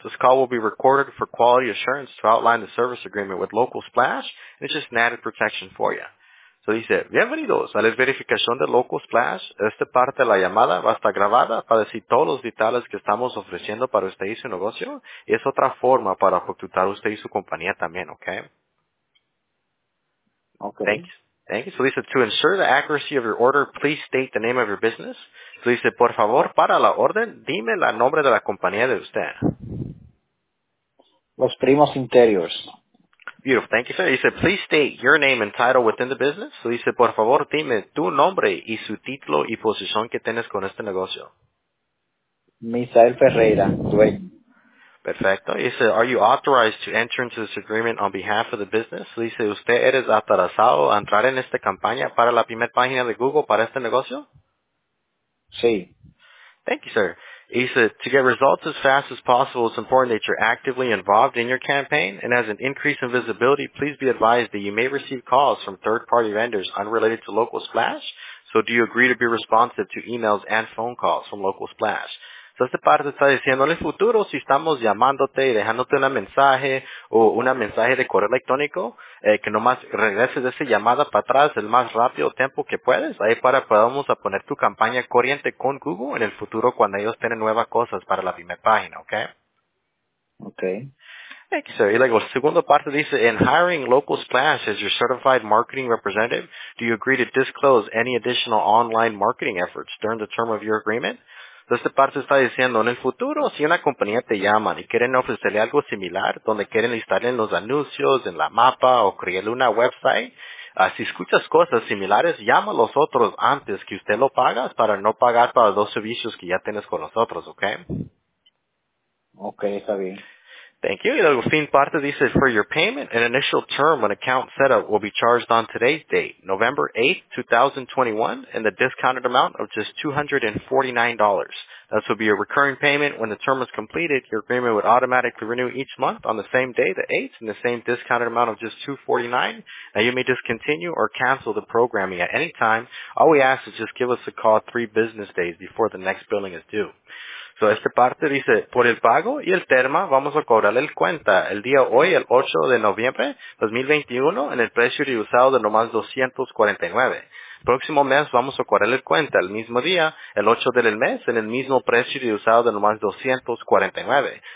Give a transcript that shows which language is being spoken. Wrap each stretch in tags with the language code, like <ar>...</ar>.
<en>This call will be recorded for quality assurance to outline the service agreement with Local Splash. And it's just an added protection for you. So he said,</en> <es>bienvenidos a la verificación de Local Splash. Esta parte de la llamada va a estar grabada para decir todos los detalles que estamos ofreciendo para usted y su negocio. Y es otra forma para facturar usted y su compañía también, okay? Okay. Thanks.</es> <en>Thank you. So he said, to ensure the accuracy of your order, please state the name of your business. So he said,</en> <es>por favor, para la orden, dime el nombre de la compañía de usted. Los Primos Interiors.</es> <en>Beautiful. Thank you, sir. He said, please state your name and title within the business. So he said,</en> <es>por favor, dime tu nombre y su título y posición que tienes con este negocio. Misael Ferreira, dueño. Perfecto.</es> <en>He said, are you authorized to enter into this agreement on behalf of the business? So he said,</en> <es>¿usted eres autorizado a entrar en esta campaña para la primer página de Google para este negocio? Sí.</es> <en>Thank you, sir. He said, to get results as fast as possible, it's important that you're actively involved in your campaign. And as an increase in visibility, please be advised that you may receive calls from third-party vendors unrelated to Local Splash. So do you agree to be responsive to emails and phone calls from Local Splash?</en> <es>So, esta parte está diciendo, en el futuro, si estamos llamándote y dejándote un mensaje o un mensaje de correo electrónico, que nomás regreses esa llamada para atrás el más rápido tiempo que puedes, ahí para podamos a poner tu campaña corriente con Google en el futuro cuando ellos tienen nuevas cosas para la primera página, ¿ok? Ok.</es> <en>Thank you, sir.</en> <es>Y luego, la segunda parte dice,</es> <en>in hiring Local Splash as your certified marketing representative, do you agree to disclose any additional online marketing efforts during the term of your agreement?</en> <es>Entonces, esta parte está diciendo, en el futuro, si una compañía te llama y quieren ofrecerle algo similar, donde quieren listarle en los anuncios, en la mapa o crearle una website, si escuchas cosas similares, llama a los otros antes que usted lo pagas para no pagar para los dos servicios que ya tienes con nosotros, ¿ok? Ok, está bien.</es> <en>Thank you.</en> <es>Y la fin parte dice,</es> <en>for your payment, an initial term when account set up will be charged on today's date, November 8th, 2021, and the discounted amount of just $249. This will be a recurring payment. When the term is completed, your agreement would automatically renew each month on the same day, the 8th, and the same discounted amount of just $249. Now, you may discontinue or cancel the programming at any time. All we ask is just give us a call 3 business days before the next billing is due.</en> <es>So, esta parte dice, por el pago y el termo, vamos a cobrarle el cuenta el día hoy, el 8 de noviembre 2021, en el precio reusado de nomás $249. Próximo mes, vamos a cobrarle el cuenta el mismo día, el 8 del mes, en el mismo precio reusado de nomás $249.</es>